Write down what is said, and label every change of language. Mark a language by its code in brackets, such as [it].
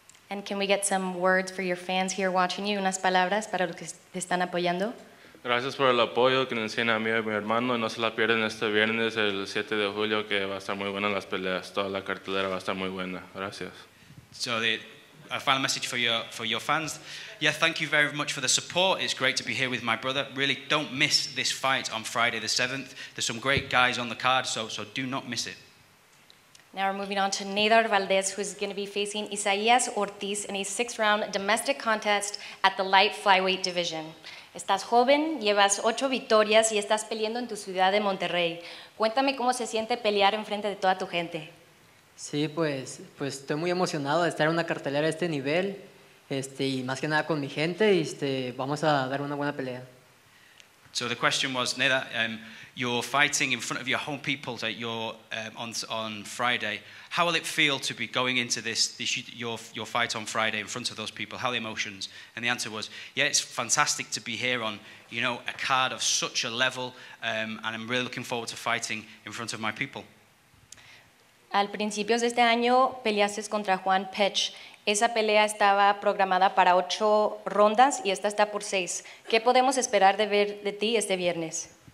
[en] And can we get some words for your fans here watching you, [es] unas palabras para los que te están apoyando? Gracias por el apoyo que nos tiene a mí y a mi hermano. No se la pierden este viernes, el 7 de julio, que va a estar muy buena las peleas. Toda la cartelera va a estar muy buena. Gracias. [en] So a final message for your fans. Yeah, thank you very much for the support. It's great to be here with my brother. Really, don't miss this fight on Friday the 7th. There's some great guys on the card, so do not miss it. Now we're moving on to Nader Valdez, who's going to be facing Isaías Ortiz in a six-round domestic contest at the light flyweight division. [es] Estás joven, llevas 8 victorias y estás peleando en tu ciudad de Monterrey. Cuéntame cómo se siente pelear en frente de toda tu gente. Sí, pues estoy muy emocionado de estar en una cartelera de este nivel, y más que nada con mi gente, y vamos a dar una buena pelea. [en] So the question was, Neda, you're fighting in front of your home people that you're on Friday. How will it feel to be going into your fight on Friday in front of those people? How are the emotions? And the answer was, yeah, it's fantastic to be here on, you know, a card of such a level, and I'm really looking forward to fighting in front of my people. [es] Al principio de este año peleaste contra Juan Pech. Esa pelea estaba programada para 8 rondas y esta está por 6. ¿Qué podemos esperar de ver de ti este viernes?